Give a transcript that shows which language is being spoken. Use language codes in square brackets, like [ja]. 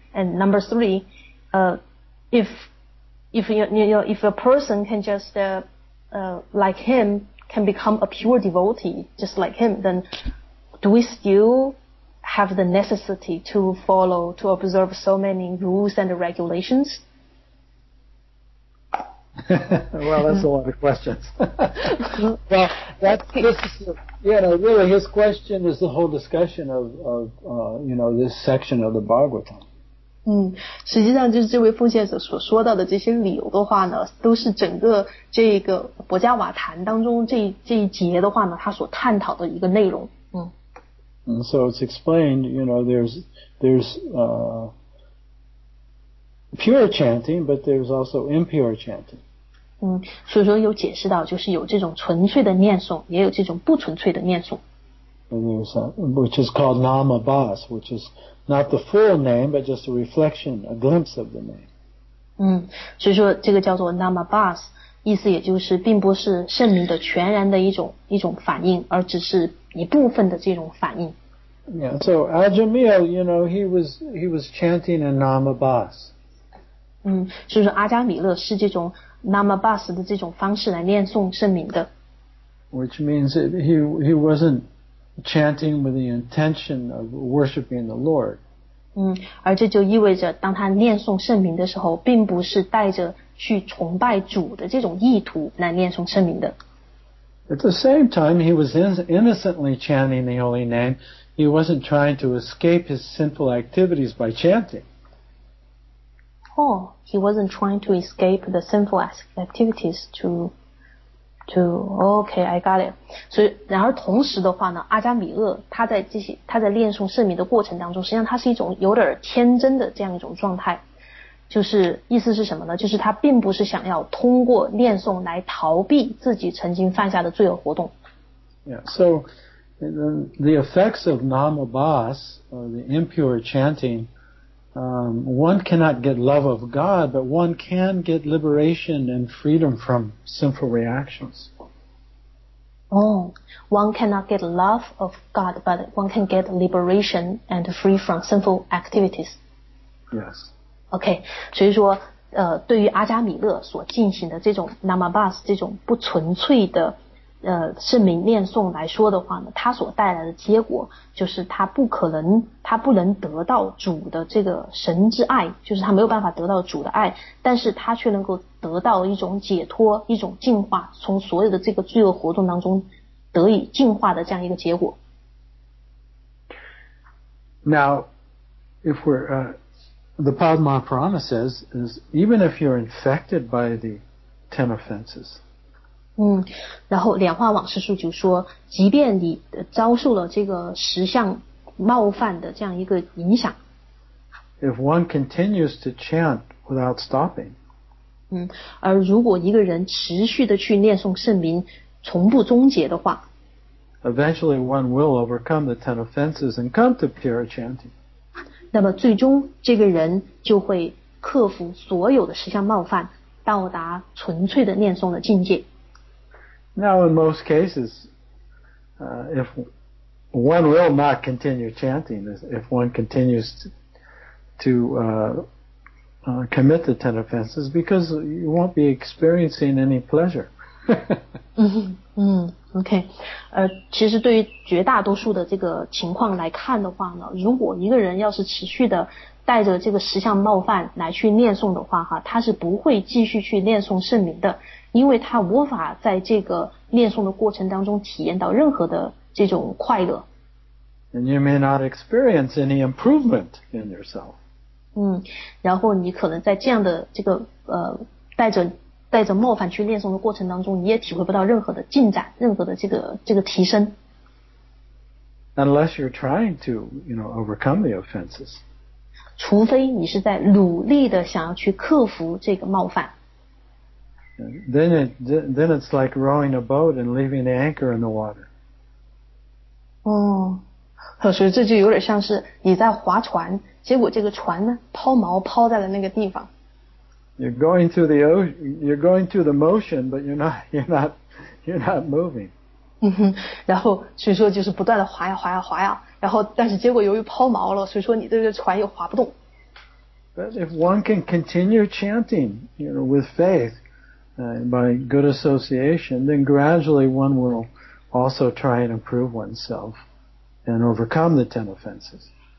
[en] And number three, if a person can just like him, can become a pure devotee just like him, then do we still have the necessity to follow, to observe so many rules and regulations? Well, that's a lot of questions. Well, really his question is the whole discussion of this section of the Bhagavatam. [zh] 实际上就是这位奉献者所说到的这些理由的话呢，都是整个这个博迦瓦坛当中这一节的话呢，他所探讨的一个内容。 [en] And so it's explained, you know, there's pure chanting, but there's also impure chanting. [zh] 所以说有解释到，就是有这种纯粹的念诵，也有这种不纯粹的念诵。 [en] Which is called Nama Bas, which is not the full name, but just a reflection, a glimpse of the name. [zh] 所以说这个叫做 Nama Bas, 意思也就是并不是圣名的全然的一种反应，而只是一部分的这种反应。 [en] Yeah, so Ajamil, you know, he was chanting a Nama Bas. [zh] 所以说阿加米勒是这种Namabas 的这种方式来念诵圣名的。 [en] Which means that he wasn't chanting with the intention of worshiping the Lord. [zh] 而这就意味着当他念诵圣名的时候，并不是带着去崇拜主的这种意图来念诵圣名的。 [en] At the same time, he was innocently chanting the holy name. He wasn't trying to escape his sinful activities by chanting. Oh, he wasn't trying to escape the sinful activities to okay, I got it. [zh] 所以然而同时的话呢，阿加米勒他在念诵圣名的过程当中，实际上他是一种有点天真的这样一种状态，就是意思是什么呢？就是他并不是想要通过念诵来逃避自己曾经犯下的罪恶活动。 [en] Yeah, so the effects of namabas or the impure chantingone cannot get love of God, but one can get liberation and freedom from sinful reactions. One cannot get love of God, but one can get liberation and free from sinful activities. Yes. [zh] Okay, 所以说对于阿加米勒所进行的这种 Namabas, 这种不纯粹的圣名念诵来说的话呢，他所带来的结果就是他不能得到主的这个神之爱，就是他没有办法得到主的爱，但是他却能够得到一种解脱，一种净化，从所有的这个罪恶活动当中得以净化的这样一个结果。 [en] Now, if we're, the Padma Purana says, is even if you're infected by the 10 offenses, [zh] 然后莲花往事书就说，即便你遭受了这个十项冒犯的这样一个影响， [en] If one continues to chant without stopping, [zh] 而如果一个人持续的去念诵圣名，从不终结的话， [en] Eventually one will overcome the 10 offenses and come to pure chanting. [zh] 那么最终这个人就会克服所有的十相冒犯，到达纯粹的念诵的境界。 [en] Now in most cases, if one will not continue chanting, if one continues to commit the ten offenses, because you won't be experiencing any pleasure. [zh] 嗯，OK， 其实对于绝大多数的这个情况来看的话呢，如果一个人要是持续的带着这个十项冒犯来去念诵的话哈，他是不会继续去念诵圣名的，因为他无法在这个念诵的过程当中体验到任何的这种快乐。 [en] And you may not experience any improvement in yourself. [zh] 嗯，然后你可能在这样的这个带着冒犯去念诵的过程当中，你也体会不到任何的进展，任何的这个提升。 [en] Unless you're trying to, you know, overcome the offenses. [zh] 除非你是在努力的想要去克服这个冒犯。 [en] Then it's like rowing a boat and leaving the anchor in the water. [zh] 哦，所以这就有点像是你在划船，结果这个船呢抛锚抛在了那个地方。 [en] You're going through the ocean, you're going through the motion, but you're not moving. [zh] 然后所以说就是不断的划呀划呀划呀，然后但是结果由于抛锚了，所以说你这个船又划不动。 [en] But if one can continue chanting, you know, with faith, by good association, then gradually one will also try and improve oneself and overcome the ten offenses.